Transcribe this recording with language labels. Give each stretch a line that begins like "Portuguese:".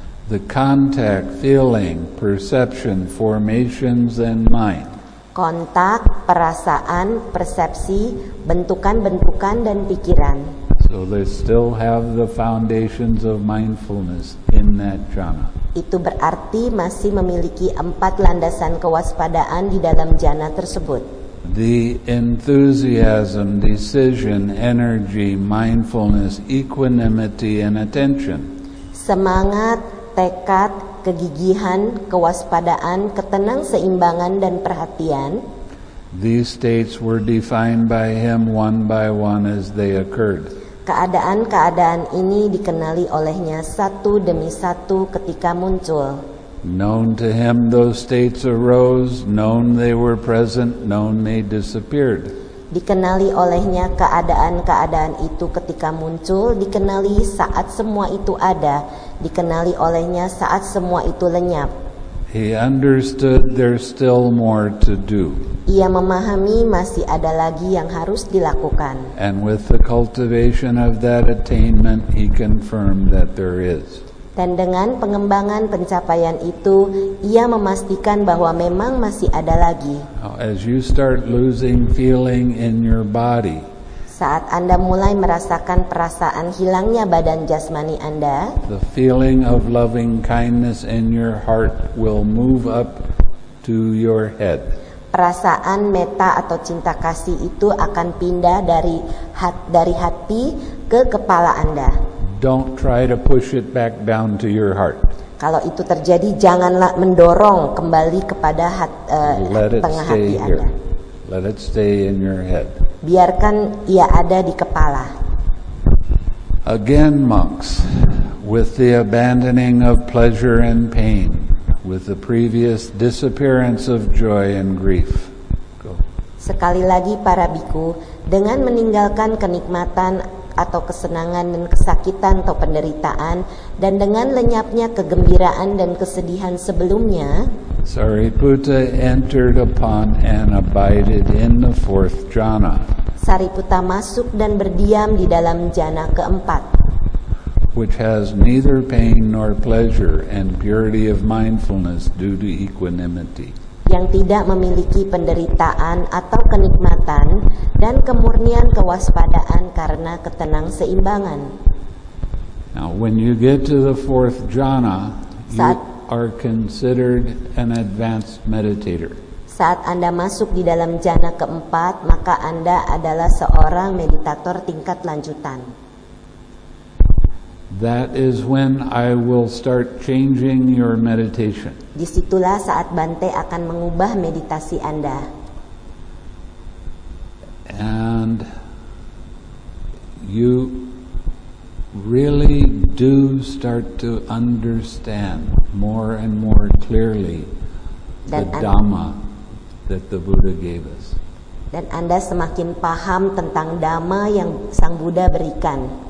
English: The contact, feeling, perception, formations and mind.
Indonesian: Kontak, perasaan, persepsi, bentukan-bentukan dan pikiran.
English: So they still have the foundations of mindfulness in that jhana.
Indonesian: Itu berarti masih memiliki empat landasan kewaspadaan di dalam jhana tersebut.
English: The enthusiasm, decision, energy, mindfulness, equanimity, and attention.
Indonesian: Semangat, tekad, kegigihan, kewaspadaan, ketenang seimbangan, dan perhatian.
English: These states were defined by him one by one as they occurred.
Indonesian: Keadaan-keadaan ini dikenali olehnya satu demi satu ketika muncul.
English: Known to him those states arose, known they were present, known they disappeared.
Indonesian: Dikenali olehnya keadaan-keadaan itu ketika muncul, dikenali saat semua itu ada, dikenali olehnya saat semua itu lenyap.
English: He understood there's still more to do.
Indonesian: Ia memahami masih ada lagi yang harus dilakukan.
English: And with the cultivation of that attainment, he confirmed that there is.
Indonesian: Dan dengan pengembangan pencapaian itu, ia memastikan bahwa memang masih ada lagi.
English: As you start losing feeling in your body,
Indonesian: saat Anda mulai merasakan perasaan hilangnya badan jasmani Anda,
English: the feeling of loving kindness in your heart will move up to your head.
Indonesian: Perasaan metta atau cinta kasih itu akan pindah dari hati ke kepala Anda.
English: Don't try to push it back down to your heart.
Indonesian: Kalau itu terjadi, janganlah mendorong kembali kepada tengah hati Anda.
English: Here. Let it stay in your head.
Indonesian: Biarkan ia ada di kepala.
English: Again, monks, with the abandoning of pleasure and pain, with the previous disappearance of joy and grief. Go.
Indonesian: Sekali lagi para bhikkhu, dengan meninggalkan kenikmatan atau kesenangan dan kesakitan atau penderitaan, dan dengan lenyapnya kegembiraan dan kesedihan sebelumnya,
English: Sariputta entered upon and abided in the fourth jhana.
Indonesian: Sariputta masuk dan berdiam di dalam jhana keempat,
English: which has neither pain nor pleasure and purity of mindfulness due to equanimity.
Indonesian: Yang tidak memiliki penderitaan atau kenikmatan dan kemurnian kewaspadaan karena ketenang seimbangan.
English: Now when you get to the fourth jhana, you are considered an advanced meditator.
Indonesian: Saat Anda masuk di dalam jhana keempat, maka Anda adalah seorang meditator tingkat lanjutan.
English: That is when I will start changing your meditation.
Indonesian: Disitulah saat Bante akan mengubah meditasi Anda.
English: And you really do start to understand more and more clearly the Dhamma that the Buddha gave us.
Indonesian: Dan Anda semakin paham tentang Dhamma yang Sang Buddha berikan.